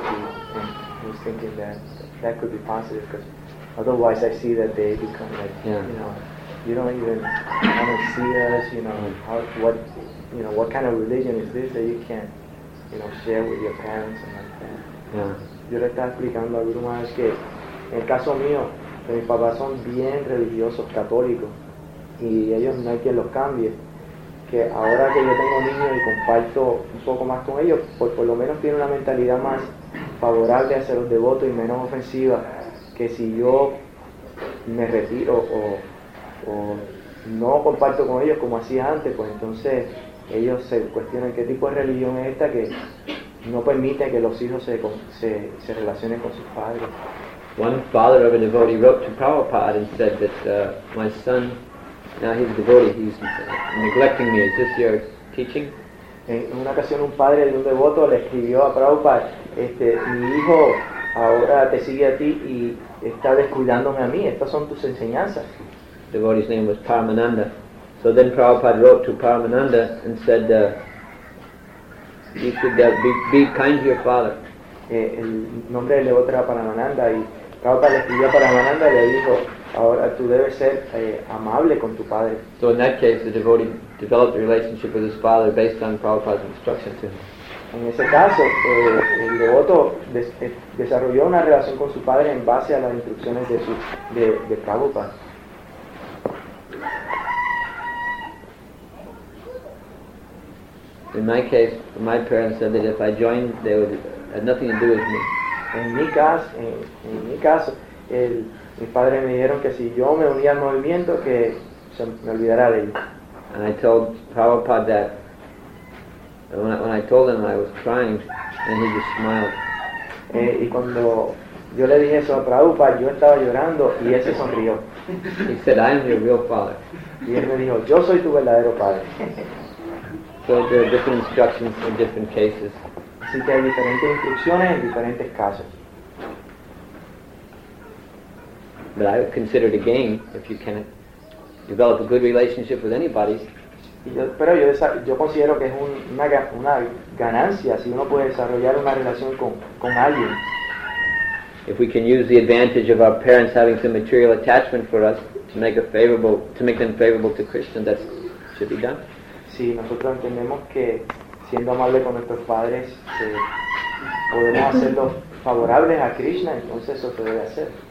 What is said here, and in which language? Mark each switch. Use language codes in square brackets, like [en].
[en] And I was thinking that could be positive, because otherwise I see that they become like, you know, you don't even want to see us, you know, what kind of religion is this that you can't, you know, share with your parents and like that. [es] Yo le estaba explicando a Guru Maharaj que en el caso mío, mis papás son bien religiosos, católicos, y ellos no hay quien los cambie. Que ahora que yo tengo niños y comparto un poco más con ellos, pues por lo menos tiene una mentalidad más favorable hacia los devotos y menos ofensiva, que si yo me retiro o no comparto con ellos como hacía antes, pues entonces ellos se cuestionan qué tipo de religión es esta que no permite que los hijos se relacionen con sus padres. [en] One father of a devotee wrote to Prabhupada and said that my son, now he's a devotee, he's neglecting me. Is this your teaching? [es] En una ocasión un padre de un devoto le escribió a Prabhupada, mi hijo ahora te sigue a ti y está descuidándome a mí. Estas son tus enseñanzas. [en] The devotee's name was Paramananda. So then Prabhupada wrote to Paramananda and said, you should be kind to your father. [es] El nombre de otra Paramananda, y Prabhupada le escribió a Paramananda y le dijo, ahora tú debes ser amable con tu padre. [en] So in that case, the devotee developed a relationship with his father based on Prabhupada's instruction to him. [es] En ese caso, el devoto desarrolló una relación con su padre en base a las instrucciones de Prabhupada. [en] In my case, my parents said that if I joined, they would have nothing to do with me. [es] En mi caso, mis padres me dijeron que si yo me unía al movimiento, que se me olvidara de ellos. [en] And I told Prabhupada that when I told him I was crying, and he just smiled. [es] Y cuando yo le dije eso a Prabhupada, yo estaba llorando y él se sonrió. [en] He said, "I am your real father." [es] Y él me dijo, "Yo soy tu verdadero padre." [en] So there are different instructions in different cases. [es] Así que hay diferentes instrucciones en diferentes casos. [en] But I would consider it a gain if you can develop a good relationship with anybody. [es] Pero yo considero que es una ganancia si uno puede desarrollar una relación con alguien. [en] If we can use the advantage of our parents having some material attachment for us to make them favorable to Krishna, that should be done. [es] Si nosotros entendemos que siendo amable con nuestros padres podemos hacerlos favorables a Krishna, entonces eso se debe hacer.